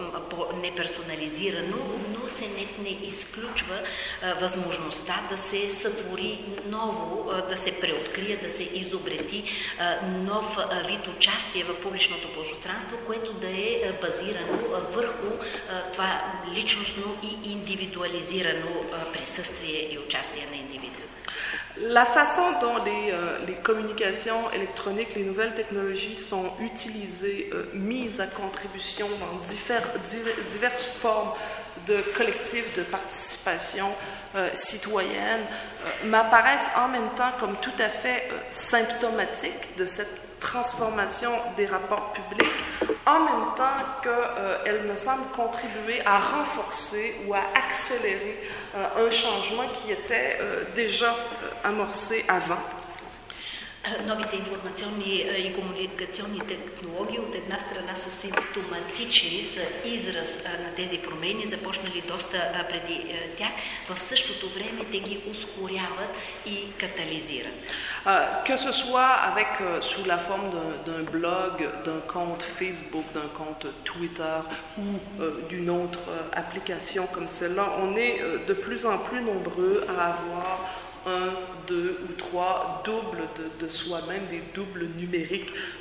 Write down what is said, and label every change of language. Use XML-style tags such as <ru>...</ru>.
<bg>по-неперсонализирано, но се не изключва възможността да се сътвори ново, да се преоткрие, да се изобрети нов вид участие в публичното пространство, което да е базирано върху това личностно и индивидуализирано присъствие и участие на индивида.</bg> <fr>La façon dont les communications électroniques, les nouvelles technologies sont utilisées, mises à contribution dans diverses formes de collectifs de participation citoyenne m'apparaissent en même temps comme tout à fait symptomatiques de cette transformation des rapports publics, en même temps qu'elle me semble contribuer à renforcer ou à accélérer un changement qui était déjà amorcé avant.</fr> <bg>Новите информационни и комуникационни технологии от една страна са симптоматични, са израз на тези промени, започнали доста преди тях, в същото време те ги ускоряват и катализират.</bg> <fr>Que ce soit avec sous la forme d'un blog, d'un compte Facebook, d'un compte Twitter ou d'une autre application comme celle-là, on est de plus en plus nombreux à avoir un, deux ou trois doubles de soi-même, des doubles numériques</fr>